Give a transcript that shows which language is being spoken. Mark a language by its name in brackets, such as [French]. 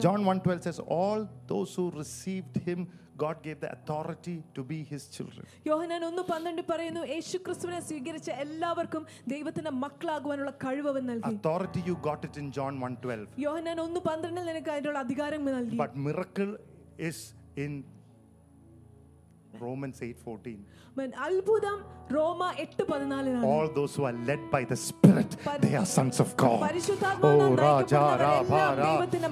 [English] John 1:12 says, all those who received him, God gave the authority to be his children. [Malayalam] യോഹന്നാൻ 1:12 പറയുന്നു, യേശുക്രിസ്തുവിനെ സ്വീകരിച്ച എല്ലാവർക്കും ദൈവത്തിന്റെ മക്കളാകുവാനുള്ള കഴിവ് അവൻ നൽകി. [English] Authority you got it in John 1:12. [Malayalam] യോഹന്നാൻ 1:12 നിനക്ക് അതിനുള്ള അധികാരം നൽകി. [English] But miracle is in Romans 8:14. [Malayalam] അത്ഭുതം റോമ 8:14. [English] All those who are led by the Spirit, they are sons of God. [Malayalam] പരിശുദ്ധാത്മാവ് നയിക്കപ്പെട്ടവരെ ദൈവത്തിന്റെ